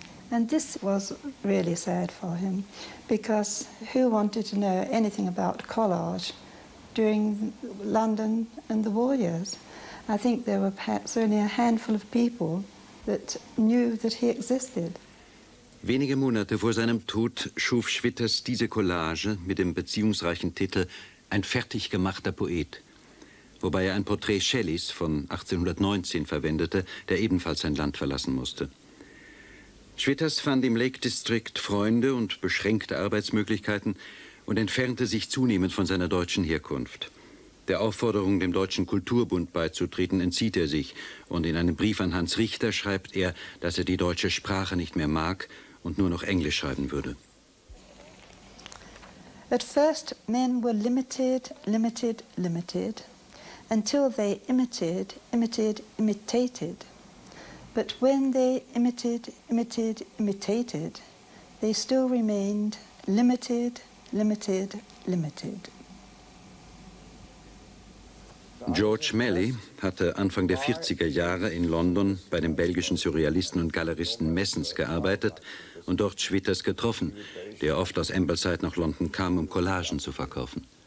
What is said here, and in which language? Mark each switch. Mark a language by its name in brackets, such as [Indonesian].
[English] And this was really sad for him, because who wanted to know anything about collage during London and the war years? I think there were perhaps only a handful of people that knew that he existed. [German] Wenige Monate vor seinem Tod schuf Switters diese Collage mit dem beziehungsreichen Titel »Ein fertig gemachter Poet«, wobei er ein Porträt Shelleys von 1819 verwendete, der ebenfalls sein Land verlassen musste. Switters fand im Lake District Freunde und beschränkte Arbeitsmöglichkeiten und entfernte sich zunehmend von seiner deutschen Herkunft. Der Aufforderung, dem Deutschen Kulturbund beizutreten, entzieht er sich. Und in einem Brief an Hans Richter schreibt er, dass er die deutsche Sprache nicht mehr mag und nur noch Englisch schreiben würde. [English] At first men were limited, limited, limited, until they imitated, imitated, imitated. But when they imitated, imitated, imitated, they still remained limited, limited, limited. [German] George Melly hatte Anfang der 40er Jahre in London bei dem belgischen Surrealisten und Galeristen Messens gearbeitet und dort Switters getroffen, der oft aus Ambleside nach London kam, um Collagen zu verkaufen.